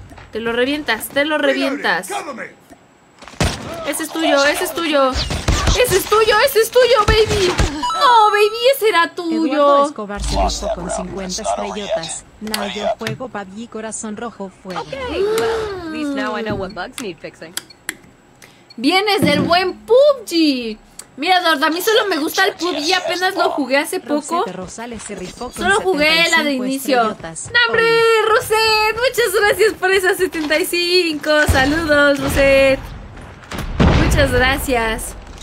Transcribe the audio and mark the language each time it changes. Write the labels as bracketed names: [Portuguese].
[Spanish] Te lo revientas, te lo revientas. Ese es tuyo, ese es tuyo. ¡Ese es tuyo, ese es tuyo, baby! ¡No, baby, ese era tuyo! Eduardo Escobar se rifó con 50 estrellotas. Nayo, fuego, baby, corazón rojo, fuego. [English] Ok, well, at least now I know what bugs need fixing. [Spanish] ¡Vienes del buen PUBG! Mira, Eduardo, a mí solo me gusta el PUBG, apenas lo jugué hace poco. Solo jugué la de inicio. ¡Nombre, Rosette! ¡Muchas gracias por esas 75! ¡Saludos, Rosette! ¡Muchas gracias!